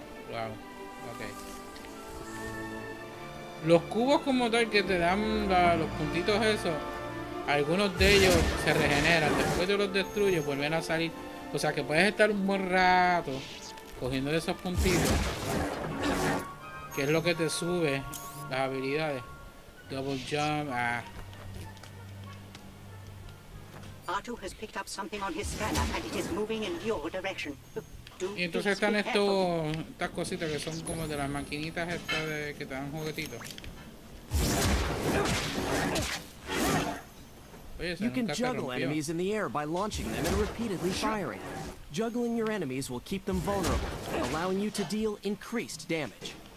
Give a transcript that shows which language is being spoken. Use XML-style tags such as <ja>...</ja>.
<es>Wow, ok. Los cubos como tal que te dan los puntitos esos, algunos de ellos se regeneran, después de los destruyes vuelven a salir. O sea que puedes estar un buen rato cogiendo esos puntitos, que es lo que te sube las habilidades.</es> <en>Double jump. Ah. R2 has picked up something on his scanner and it is moving in your direction.</en> <es>Y entonces están estas cositas que son como de las maquinitas estas de que te dan juguetitos.</es> <en>You can juggle enemies in the air by launching them and repeatedly firing. Juggling your enemies will keep them vulnerable, allowing you to deal increased damage.</en>